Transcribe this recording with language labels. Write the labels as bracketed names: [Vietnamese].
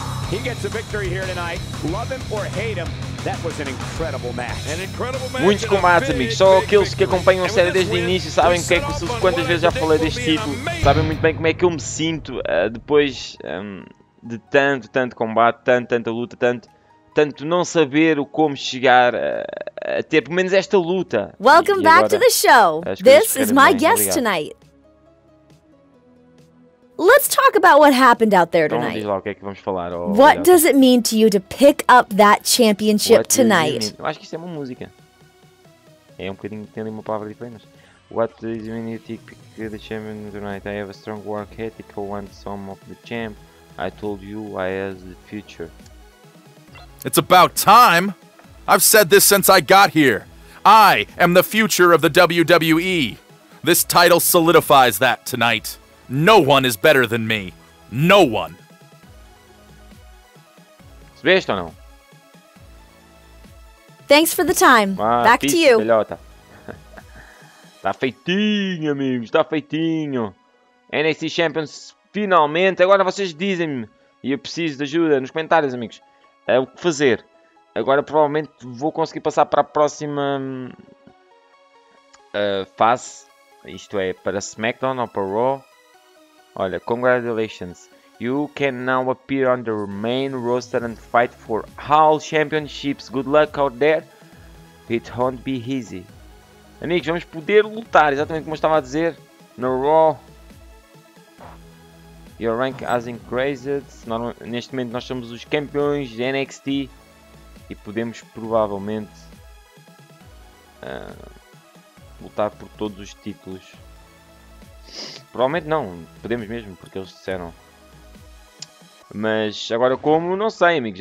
[English] He gets a victory here tonight. Love him or hate him, that was an incredible match. An incredible match. [Portuguese] Muitos combates, amigos. Só aqueles que acompanham a série desde o início sabem que é que, quantas vezes já falei deste título. Sabem muito bem como é que eu me sinto depois de tanto combate, tanta luta, tanto não saber o como chegar a ter pelo menos esta luta. [English] Welcome back to the show. This is my guest tonight. Let's talk about what happened out there tonight. [Portuguese] Então, diz lá, o que é que vamos falar, oh, [English] what yeah. does it mean to you to pick up that championship what tonight? [Portuguese] Eu acho que isso é uma música. É um bocadinho, tem ali uma palavra diferente, mas... [English] What does it mean to pick up the champion tonight? I have a strong work ethic, I want some of the champ. I told you I have the future. It's about time! I've said this since I got here. I am the future of the WWE. This title solidifies that tonight. No one is better than me. No one. [Portuguese] Percebeste ou não? [English] Thanks for the time. Ah, back to you. [Portuguese] Está feitinho, amigos. Está feitinho. NXT Champions, finalmente. Agora vocês dizem-me. E eu preciso de ajuda nos comentários, amigos. É o que fazer. Agora provavelmente vou conseguir passar para a próxima fase. Isto é, para SmackDown ou para Raw. [English] Olha, congratulations. You can now appear on the main roster and fight for all championships. Good luck out there. It won't be easy. [Portuguese] Amigos, vamos poder lutar, exatamente como eu estava a dizer. No Raw. [English] Your rank has increased. [Portuguese] Neste momento nós somos os campeões de NXT. E podemos provavelmente lutar por todos os títulos. Provavelmente não, podemos mesmo, porque eles disseram Mas agora como, não sei, amigos.